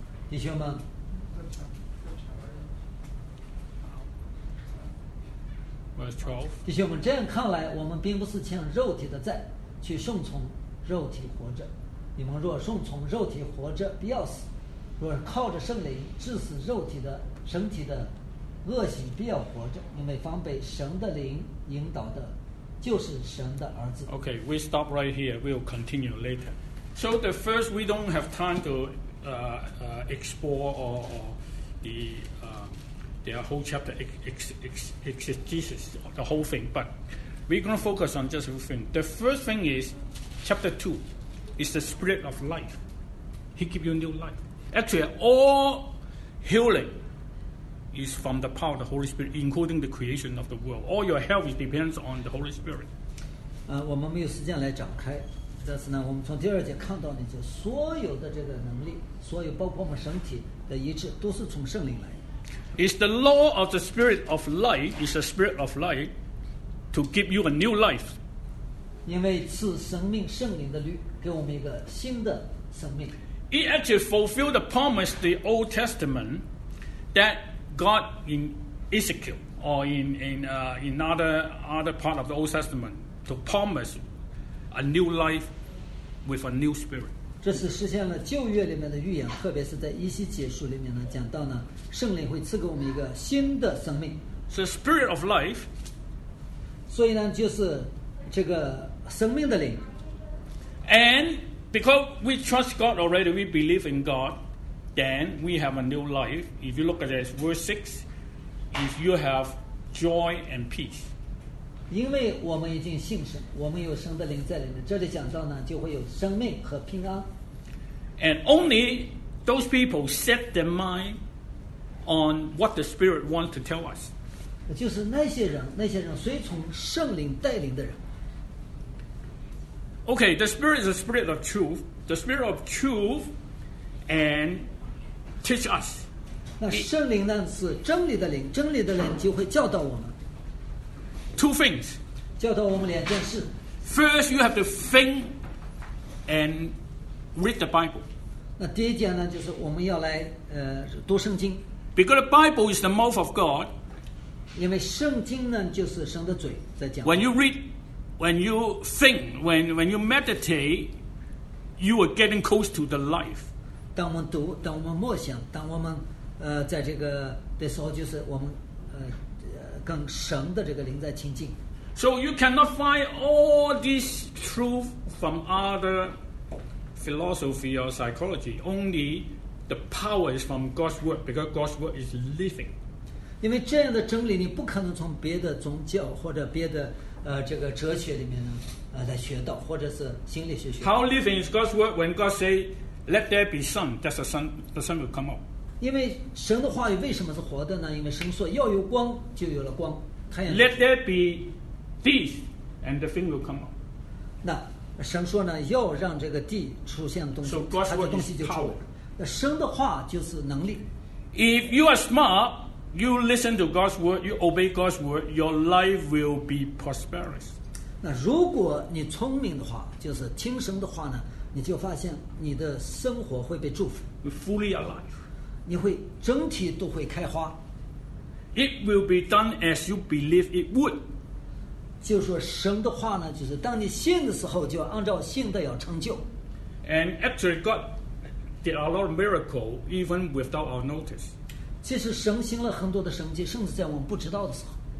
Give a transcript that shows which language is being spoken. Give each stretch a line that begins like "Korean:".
Chinese: 弟兄们，弟兄们，这样看来，我们并不是欠肉体的债，去顺从肉体活着。你们若顺从肉体活着，必要死；若靠着圣灵致死肉体的身体的恶行，必要活着。因为防备神的灵引导的，就是神的儿子。
English: Okay, we stop right here. We'll continue later. So the first, we don't have time to explore or the their whole chapter exegesis, the whole thing, but we're going to focus on just a few things. The first thing is, chapter 2, is the spirit of life. He give you new life. Actually, all healing is from the power of the Holy Spirit, including the creation of the world. All your health depends on the Holy Spirit.
Chinese: 我们没有时间来展开，但是呢，我们从第二节看到呢，就所有的这个能力，所有包括我们身体的医治，都是从圣灵来的。
English: It's the law of the spirit of life, is the spirit of life to give you a new life.
Chinese: 因为赐生命圣灵的律，给我们一个新的生命。
English: It actually fulfilled the promise the Old Testament that God in Ezekiel or in other part of the Old Testament to promise a new life with a new spirit.
Chinese: 这是实现了旧约里面的预言，特别是在以西结书里面呢，讲到呢，圣灵会赐给我们一个新的生命。
English: So spirit of life.
Chinese: 所以呢，就是这个生命的灵。
English: And because we trust God already, we believe in God, then we have a new life. If you look at this, verse 6, if you have joy and peace.
Chinese: 因为我们已经信神，我们有神的灵在里面，这里讲到呢，就会有生命和平安。
English: And only those people set their mind on what the Spirit wants to tell us.
Chinese: 就是那些人，那些人随从圣灵带领的人。
English: Okay, the Spirit is the Spirit of truth. The Spirit of truth and teach us.
Chinese: 那圣灵呢是真理的灵，真理的灵就会教导我们。
English: Two things.
Chinese: 教导我们两件事。
English: First, you have to think and read the Bible.
Chinese: 那第一点呢，就是我们要来读圣经。
English: Because the Bible is the mouth of God.
Chinese: 因为圣经呢就是神的嘴在讲。
English: When you read,When you think, when you meditate, you are getting close to the life.
Chinese: 当我们读，当我们默想，当我们在这个的时候，就是我们跟神的这个灵在亲近。
English: So you cannot find all this truth from other philosophy or psychology. Only the power is from God's word, because God's word is living.
Chinese: 因为这样的真理，你不可能从别的宗教或者别的。这个哲学里面呢，来学到，或者是心理学学到。
English: How living is God's word when God say, "Let there be sun," that's the sun, the sun will come out.
Chinese: 因为神的话语为什么是活的呢？因为神说要有光，就有了光，太阳。
English: Let there be this, and the thing will come out.
Chinese: 那神说呢，要让这个地出现东西，
English: so、God's word
Chinese: 它的东西就出来了。那神的话就是能力。
English: If you are smart. You listen to God's word, you obey God's word, your life will be prosperous.
Chinese: 那如果你聪明的话，就是听神的话呢，你就发现你的生活会被祝福。
English: You're fully alive.
Chinese: 你会整体都会开花。
English: It will be done as you believe it would.
Chinese: 就说神的话呢，就是当你信的时候，就按照信的要成就。
English: And actually God did a lot of miracles even without our notice.
Chinese: 其实神行了很多的神迹，甚至在我们不知道的时候。